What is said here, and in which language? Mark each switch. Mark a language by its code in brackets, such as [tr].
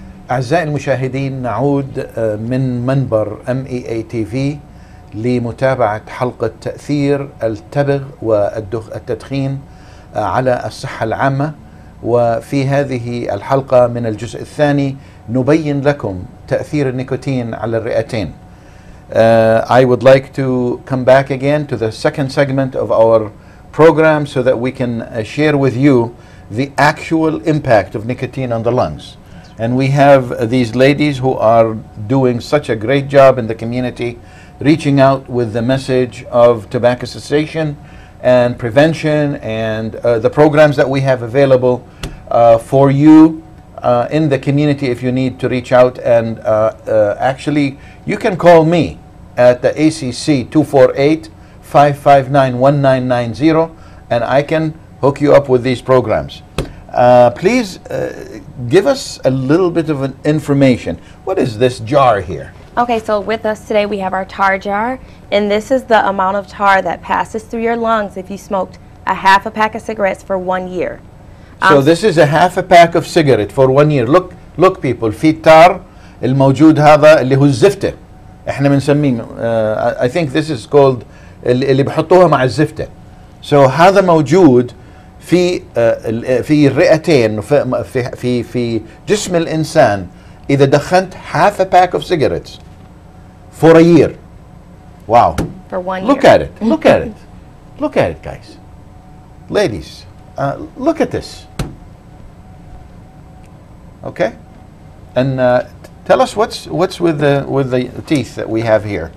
[ar] أعزائي المشاهدين، نعود من منبر MEA TV لمتابعة حلقة تأثير التبغ والتدخين على الصحة العامة، وفي هذه الحلقة من الجزء الثاني نبين لكم تأثير النيكوتين على الرئتين. [en] I would like to come back again to the second segment of our program so that we can share with you the actual impact of nicotine on the lungs. And we have these ladies who are doing such a great job in the community, reaching out with the message of tobacco cessation and prevention and the programs that we have available for you in the community if you need to reach out. And actually, you can call me at the ACC 248-559-1990 and I can hook you up with these programs. Please give us a little bit of an information. What is this jar here? Okay, so with us today we have our tar jar, and this is the amount of tar that passes through your lungs if you smoked a half a pack of cigarettes for 1 year. So this is a half a pack of cigarette for 1 year. Look people, [ar] في التار الموجود هذا اللي هو الزفتة. احنا بنسميه, [en] I think this is called [ar] اللي بحطوها مع الزفتة. So هذا موجود في الرئتين, في جسم الإنسان. إذا دخنت [en] half a pack of cigarettes for a year. Wow. For 1 year. Look at it. Look at it. Look at it, guys. Ladies, look at this. Okay? And tell us what's with the teeth that we have here.